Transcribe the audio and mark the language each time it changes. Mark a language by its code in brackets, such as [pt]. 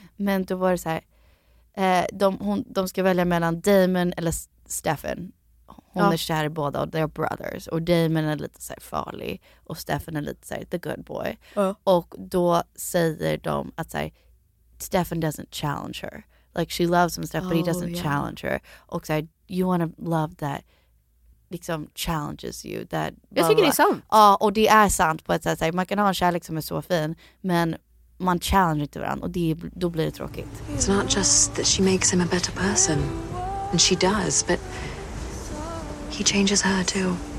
[sv] Men då var det så här, de ska välja mellan Damon eller Stefan. Hon är kär i båda, och [en] they're brothers. [sv] Och Damon är lite så här farlig, och Stefan är lite så här, [en] the good boy. [sv] Och då säger de att så här, [en] Stefan doesn't challenge her. Like, she loves him stuff, but he doesn't challenge her. [sv] Och så här, [en] you want a love that [sv] liksom [en] challenges you. That, [sv] blah, jag tycker blah, blah. Det är sant. Ja, och det är sant på ett sätt. Så här, man kan ha en kärlek som är så fin, men man challenger inte varandra, och det, då blir det tråkigt. [en] It's not just that she makes him a better person, and she does, but he changes her too.